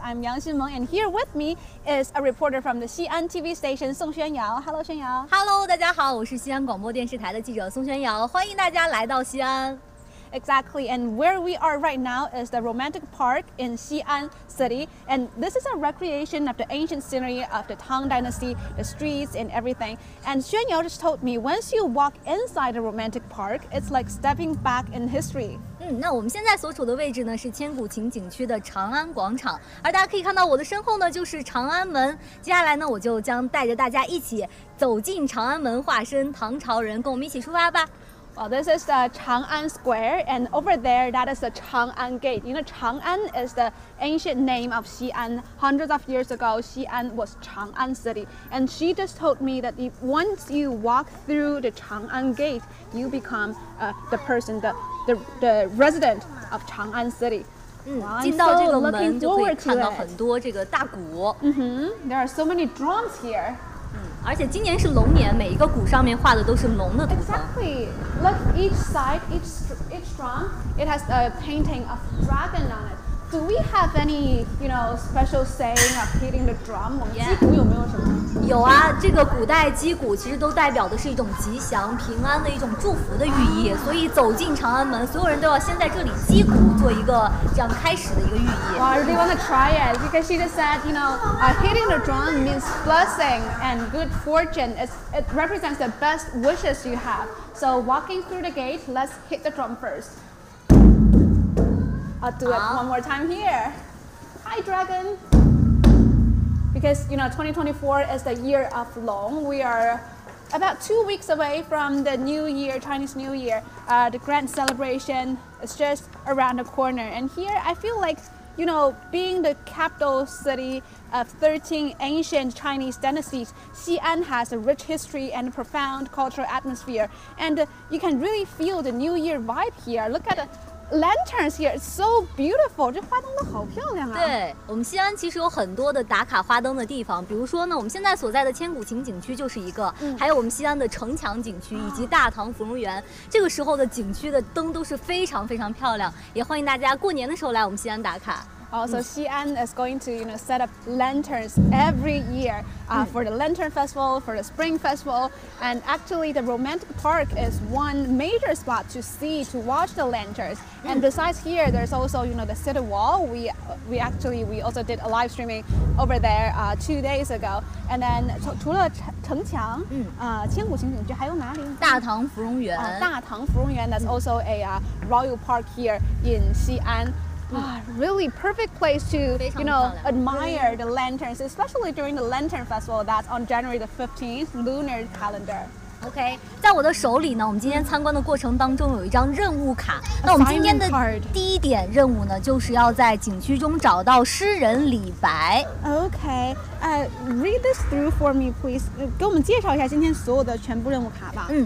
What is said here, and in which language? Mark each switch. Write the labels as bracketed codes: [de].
[en] I'm Yang Xinmeng, and here with me is a reporter from the Xi'an TV station, Song Xuanyao. Hello, Xuanyao. Hello, [zh] 大家好，我是西安广播电视台的记者宋轩瑶，欢迎大家来到西安。 [en] Exactly, and where we are right now is the romantic park in Xi'an city, and this is a recreation of the ancient scenery of the Tang Dynasty, the streets and everything. And Xuanyao just told me, once you walk inside the romantic park, it's like stepping back in history. [zh] 那我们现在所处的位置呢是千古情景区的长安广场，而大家可以看到我的身后呢就是长安门。接下来呢，我就将带着大家一起走进长安门，化身唐朝人，跟我们一起出发吧。 [en] Well, this is the Chang'an Square, and over there, that is the Chang'an Gate. You know, Chang'an is the ancient name of Xi'an. Hundreds of years ago, Xi'an was Chang'an City. And she just told me that once you walk through the Chang'an Gate, you become the resident of Chang'an City. Wow, I'm so looking forward to it. Mm-hmm. There are so many drums here. [zh] 而且今年是龙年，每一个鼓上面画的都是龙的图腾。 [en] Exactly. Look each side, each drum, it has a painting of dragon on it. Do we have any, you know, special saying of hitting the drum? [zh] 我们击鼓有没有什么？有啊，这个古代击鼓其实都代表的是一种吉祥、平安的一种祝福的寓意。所以走进长安门，所有人都要先在这里击鼓，做一个这样开始的一个寓意。 [en] Well, I really want to try it because she just said, you know, hitting the drum means blessing and good fortune. It represents the best wishes you have. So walking through the gate, let's hit the drum first. I'll do it one more time here. Hi, dragon. Because, you know, 2024 is the year of Long. We are about 2 weeks away from the New Year, Chinese New Year. The grand celebration is just around the corner. And here, I feel like, you know, being the capital city of 13 ancient Chinese dynasties, Xi'an has a rich history and a profound cultural atmosphere. And you can really feel the New Year vibe here. Look at the lanterns here, it's so beautiful. [zh] 这花灯都好漂亮啊！对，我们西安其实有很多的打卡花灯的地方，比如说呢，我们现在所在的千古情景区就是一个，还有我们西安的城墙景区以及大唐芙蓉园，这个时候的景区的灯都是非常非常漂亮，也欢迎大家过年的时候来我们西安打卡。 [en] Also, Xi'an is going to, you know, set up lanterns every year for the Lantern Festival, for the Spring Festival. And actually, the Romantic Park is one major spot to see, to watch the lanterns. And besides here, there's also, you know, the city wall. We also did a live streaming over there 2 days ago. And then, [zh] 除了城墙，千古情景区还有哪里？大唐芙蓉园。 [en] 大唐芙蓉园 that's also a royal park here in Xi'an. Really perfect place to, you know, admire the lanterns, especially during the Lantern Festival that's on January the 15th, lunar calendar. [zh] OK, 在我的手里呢，我们今天参观的过程当中有一张任务卡。那我们今天的第一点任务呢，就是要在景区中找到诗人李白。 [en] OK, read this through for me, please. [zh] 给我们介绍一下今天所有的全部任务卡吧。